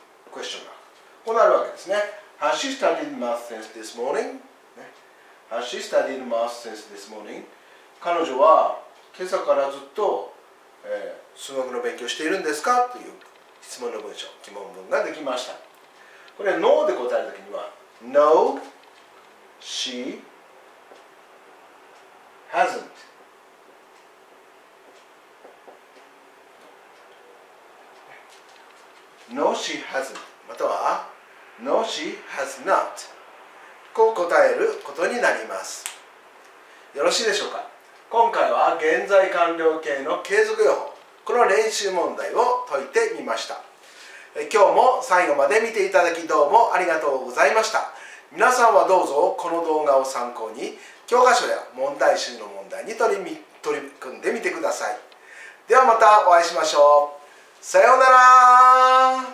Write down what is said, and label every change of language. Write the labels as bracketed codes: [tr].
[en] Question mark. [ja] こうなるわけですね。 [en] Has she studied math since this morning? Has she studied math since this morning? [ja] 彼女は今朝からずっと、数学の勉強しているんですかという質問の文章、疑問文ができました。これ No で答えるときには [en] No, she hasn't。 No, she hasn't。 [ja] または [en] No, she has not。 [ja] こう答えることになります。よろしいでしょうか。今回は現在完了形の継続用法、この練習問題を解いてみました。今日も最後まで見ていただきどうもありがとうございました。皆さんはどうぞこの動画を参考に教科書や問題集の問題に取り組んでみてください。ではまたお会いしましょう。さようなら。